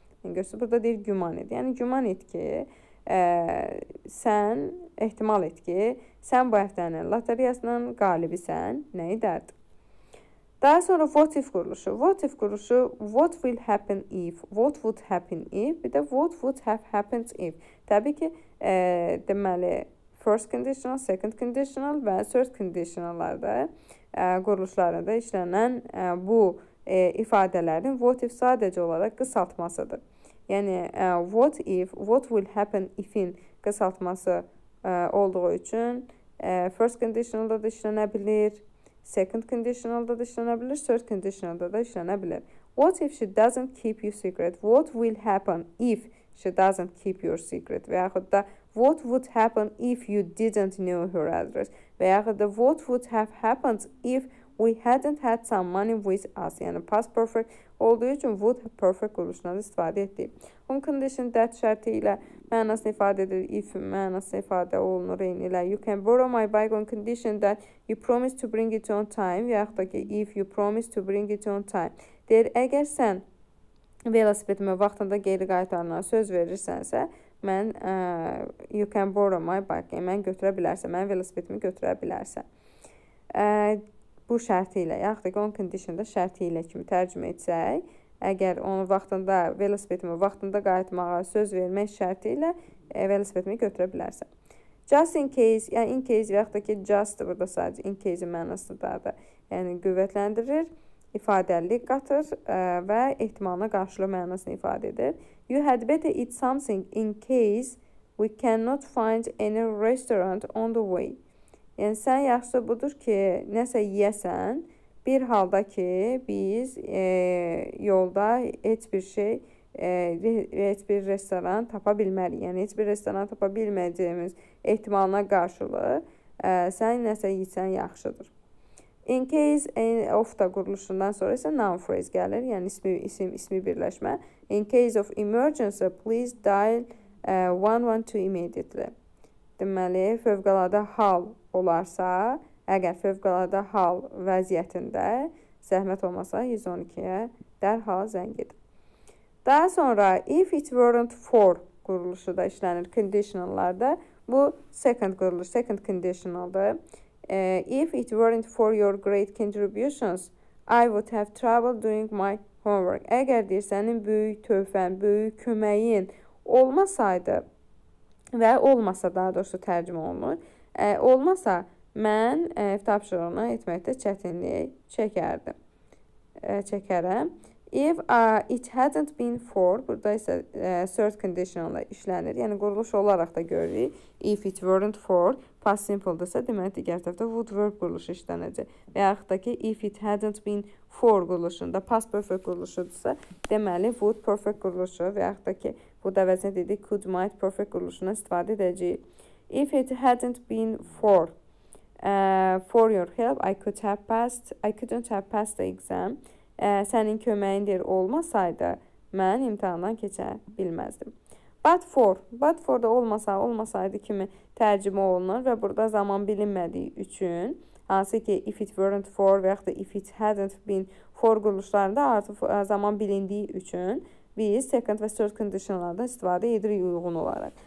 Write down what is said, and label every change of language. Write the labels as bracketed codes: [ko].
[az] Yəni, görsün, burada deyir, güman et. Yəni, güman et ki, sən, ehtimal et ki, sən bu həftənin lotariyasının qalibisən, nə edərdin? Daha sonra what if quruluşu. [en] What if quruluşu, what will happen if, what would happen if, bir də what would have happened if. [az] Təbii ki, deməli, first conditional, second conditional və third conditional-larda quruluşlarında işlənən bu ifadələrin what if sadəcə olaraq qısaltmasıdır. Yəni, what if, what will happen if-in qısaltması olduğu üçün first conditional-da da işlənə bilir, second conditional-da da işlənə bilir, third conditional-da da işlənə bilir. [en] What if she doesn't keep your secret? What will happen if she doesn't keep your secret? [az] Və yaxud da, [en] what would happen if you didn't know her address? [az] Və yaxud da, [en] what would have happened if we hadn't had some money with us? [az] Yəni, past perfect olduğu üçün would have perfect quruluşundan istifadə etdi. [en] On condition that [az] şərti ilə mənasını ifadə edir, [en] if [az] mənasını ifadə olunur, eyni ilə [en] you can borrow my bike on condition that you promise to bring it on time. [az] Və yaxud da ki, [en] if you promise to bring it on time. [az] Deyir, əgər sən velosipedimi vaxtında geri qaytarına söz verirsənsə, mən [en] you can borrow my bike, [az] mən götürə bilərsən, mən velosipedimi götürə bilərsən. Bu şərti ilə, yaxud da ki, on condition-da şərti ilə kimi tərcümə etsək, Əgər onu vaxtında, velosipedimi vaxtında qayıtmağa söz vermək şərti ilə velosipedimi götürə bilərsən. Just in case, yəni in case və yaxud da ki, just burada sadəcə in case-in mənasındadır. Yəni qüvvətləndirir, ifadəlilik qatır və ehtimalına qarşılıq mənasını ifadə edir. [en] You had better eat something in case we cannot find any restaurant on the way. [az] Yəni sən yaxşı budur ki, nəsə yiyəsən, bir halda ki, biz yolda heç bir şey, heç bir restoran tapa bilməliyik. Yəni, heç bir restoran tapa bilməyəcəyimiz ehtimalına qarşılıq, sən nəsə yiysən yaxşıdır. In case of da quruluşundan sonra isə noun phrase gəlir, yəni ismi birləşmə. [en] In case of emergency, please dial 112 immediately. [az] Deməli, fövqəladə hal olarsa, əgər fövqəladə hal vəziyyətində zəhmət olmasa 112-yə dərhal zəng edin. Daha sonra if it weren't for quruluşu da işlənir conditionallarda. Bu second quruluş, second conditionaldır. [en] If it weren't for your great contributions, I would have trouble doing my homework. [az] Əgər deyir, sənin böyük tövbən, böyük köməyin olmasaydı və olmasa, daha doğrusu tərcümə olunur, olmasa mən tapşırığını etməkdə çətinlik çəkərdim. Çəkərəm. [en] If it hadn't been for, [az] burada isə [en] third conditional işlənir. [az] Yəni, quruluş olaraq da görürük. If it weren't for, past simple-dursa, deməli, digər tərəfdə would work quruluşu işlənəcək. Və yaxud da ki, if it hadn't been for quruluşunda past perfect quruluşudursa, deməli, would perfect quruluşu və yaxud da ki, bu da vəzinə dedik, could might perfect quruluşundan istifadə edəcəyik. [en] If it hadn't been for, for your help, I couldn't have passed the exam. [az] Sənin köməyin deyir olmasaydı, mən imtihandan keçə bilməzdim. But for da olmasa, olmasaydı kimi tərcümə olunur və burada zaman bilinmədiyi üçün, hansı ki, if it weren't for və yaxud da if it hadn't been for quruluşlarında artıq zaman bilindiyi üçün, biz second və third conditionlardan istifadə edirik uyğun olaraq.